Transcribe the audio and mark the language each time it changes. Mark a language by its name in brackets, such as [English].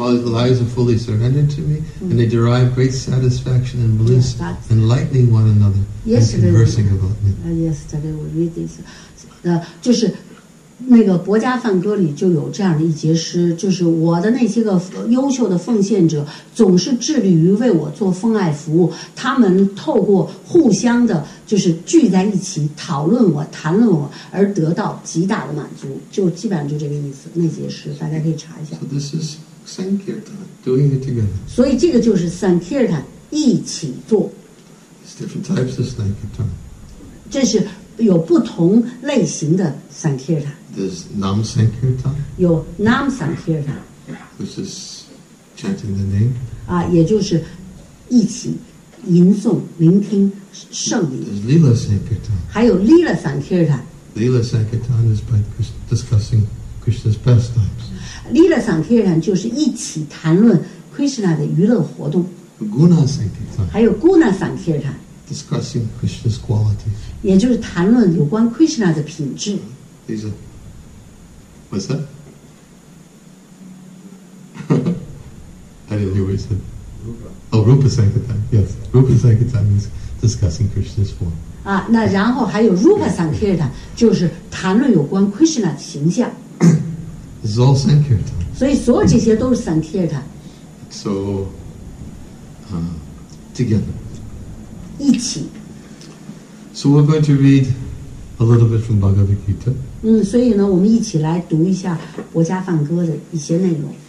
[English] lives are fully surrendered to me, and they derive great satisfaction and bliss, enlightening one another, and conversing about me. Yesterday we read this. [Chinese] 就是那个《薄伽梵歌》里就有这样的一节诗，就是我的那些个优秀的奉献者总是致力于为我做奉爱服务，他们透过互相的，就是聚在一起讨论我、谈论我，而得到极大的满足，就基本上就这个意思。那节诗大家可以查一下。 [English] So this is Sankirtan, doing it together. [Chinese] 所以这个就是 Sankirtan, 一起做。 [English] It's different types of Sankirtan. [Chinese] 这是有不同类型的 Sankirtan。 [English] There's Nam Sankirtan. [Chinese] 有 Nam Sankirtan. [English] This is chanting the name. [Chinese] 也就是一起吟诵、聆听圣名。 [English] There's Lila Sankirtan. [Chinese] 还有 Lila Sankirtan. [English] Lila Sankirtan is by discussing Krishna's pastimes. [Chinese] Lila Sankirtan 就是一起谈论 Krishna 的娱乐活动。 [English] Guna Sankirtan. [Chinese] 还有 Guna Sankirtan. [English] Discussing Krishna's qualities. [Chinese] 也就是谈论有关 Krishna 的品质。 [English] These are. What's that? I didn't hear what you said. Rupa. Oh, Rupa Sankirtan. Yes, Rupa Sankirtan is discussing Krishna's form. [Chinese] 那然后还有 Rupa Sankirtan, 就是谈论有关 Krishna 的形象。 [English] It's all Sankirtan. [Chinese] 所以所有这些都是 Sankirtan. [English] So, together. [Chinese] 一起。 [English] So we're going to read a little bit from Bhagavad Gita. [Chinese] 所以呢，我们一起来读一下《薄伽梵歌》的一些内容。